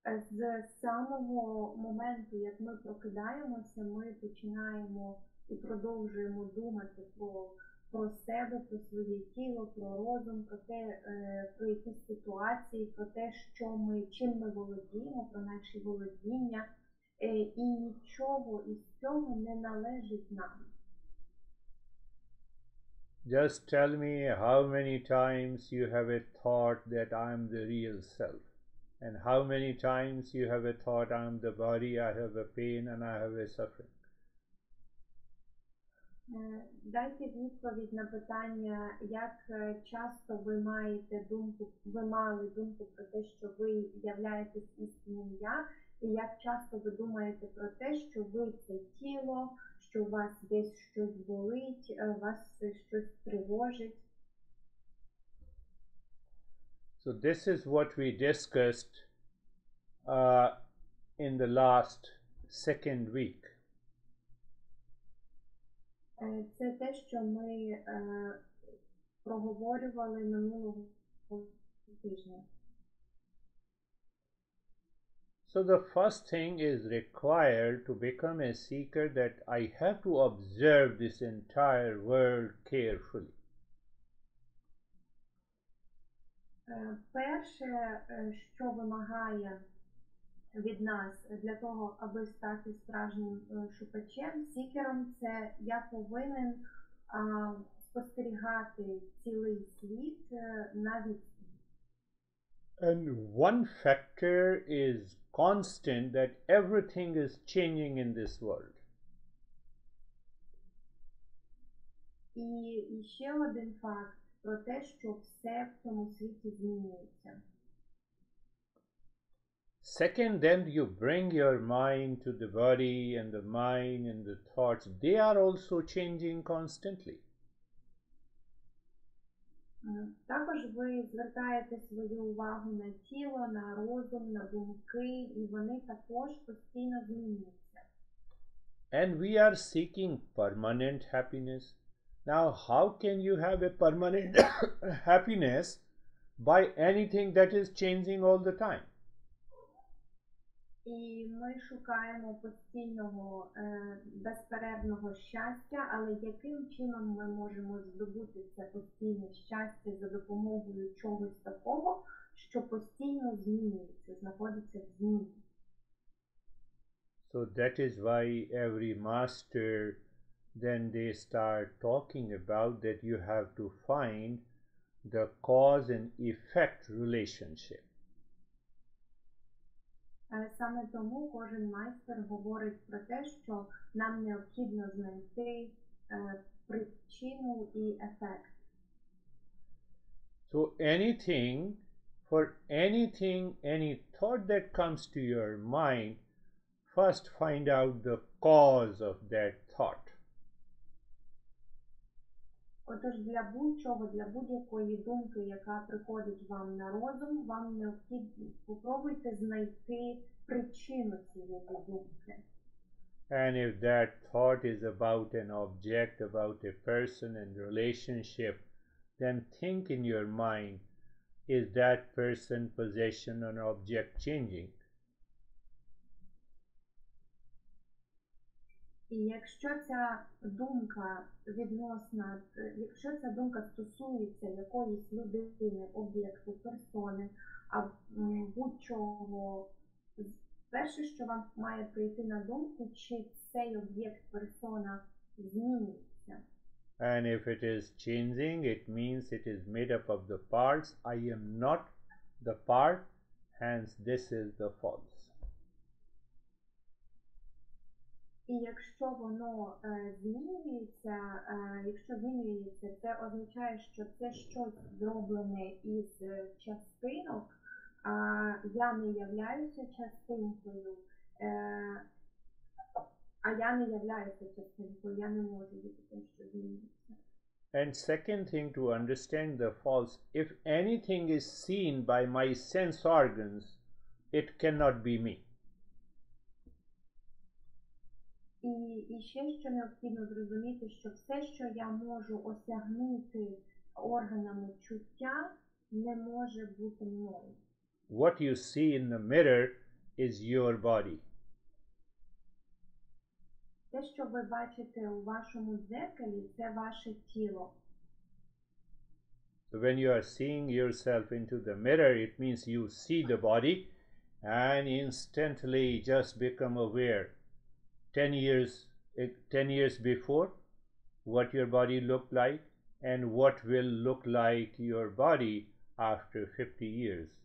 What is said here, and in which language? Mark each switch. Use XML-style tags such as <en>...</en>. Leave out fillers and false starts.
<uk>З самого моменту, як ми прокидаємося, ми починаємо і продовжуємо думати про себе, про своє тіло, про розум, про те, про якісь ситуації, про те, що ми, чим ми володіємо, про наші володіння, і нічого із цього не належить нам.</uk> <en>Just tell me how many times you have a thought that I am the real self, and how many times you have a thought I am the body, I have a pain and I have a suffering.</en> <uk>Дайте відповідь на питання, як часто ви маєте думку, ви мали думку про те, що ви являєтесь істинним я, і як часто ви думаєте про те, що ви це тіло, що у вас десь щось болить, вас щось тривожить.</uk> <en>So this is what we discussed in the last second week.</en> <uk>Це те, що ми проговорювали минулого тижня.</uk> <en>So the first thing is required to become a seeker that I have to observe this entire world carefully.</en> <uk>Перше, що вимагає від нас для того, аби стати справжнім шукачем, сікером, це я повинен спостерігати цілий світ навіть.</uk> <en>And one factor is constant, that everything is changing in this world.</en> <uk>І ще один факт про те, що все в цьому світі змінюється.</uk> <en>Second, then you bring your mind to the body, and the mind and the thoughts, they are also changing constantly.</en> <uk>Також ви звертаєте свою увагу на тіло, на розум, на думки, і вони також постійно змінюються.</uk> <en>And we are seeking permanent happiness. Now, how can you have a permanent happiness by anything that is changing all the time?</en> <uk>І ми шукаємо постійного, безперервного щастя, але яким чином ми можемо здобути це постійне щастя за допомогою чогось такого, що постійно змінюється, знаходиться в змі?</uk> <en>So that is why every master, then they start talking about that you have to find the cause and effect relationship.</en> <uk>Саме тому кожен майстер говорить про те, що нам необхідно знайти причину і ефект.</uk> <en>So anything, for anything, any thought that comes to your mind, first find out the cause of that thought.</en> <uk>Отож, для будь-чого, для будь-якої думки, яка приходить вам на розум, вам необхідно спробуйте знайти причину цієї думки.</uk> <en>And if that thought is about an object, about a person and relationship, then think in your mind, is that person, possession or object changing?</en> <uk>І якщо ця думка відносна, якщо ця думка стосується якоїсь людини, об'єкту, персони, а будь-чого, перше, що вам має прийти на думку, чи цей об'єкт, персона зміниться.</uk> <en>And if it is changing, it means it is made up of the parts. I am not the part, hence this is the false.</en> <uk>І якщо воно змінюється, якщо змінюється, це означає, що це щось зроблене із частинок, а я не являюся частинкою, а я не являюся частинкою, я не можу бути тим, що змінюється.</uk> <en>And second thing to understand the false, if anything is seen by my sense organs, it cannot be me.</en> <uk>І ще, що необхідно зрозуміти, що все, що я можу осягнути органами чуття, не може бути мною.</uk> <en>What you see in the mirror is your body.</en> <uk>Те, що ви бачите у вашому дзеркалі, це ваше тіло.</uk> <en>So when you are seeing yourself into the mirror, it means you see the body and instantly just become aware. 10 years before, what your body looked like, and what will look like your body after 50 years.</en>